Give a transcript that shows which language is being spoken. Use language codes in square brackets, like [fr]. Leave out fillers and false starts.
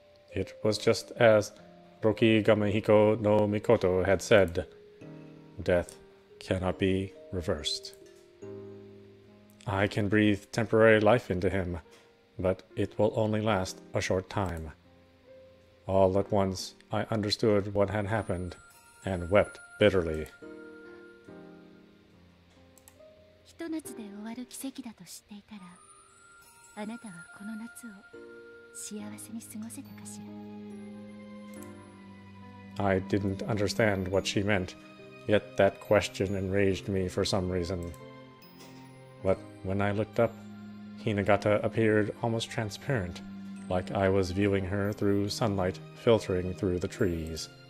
[en] It was just as Roki Gamehiko no Mikoto had said, death cannot be reversed. I can breathe temporary life into him, but it will only last a short time. All at once, I understood what had happened and wept bitterly. [ja] ひと夏で終わる奇跡だと知っていたら、あなたはこの夏を幸せに過ごせたかしら。 [en] I didn't understand what she meant, yet that question enraged me for some reason. But when I looked up, Hinagata appeared almost transparent, like I was viewing her through sunlight filtering through the trees.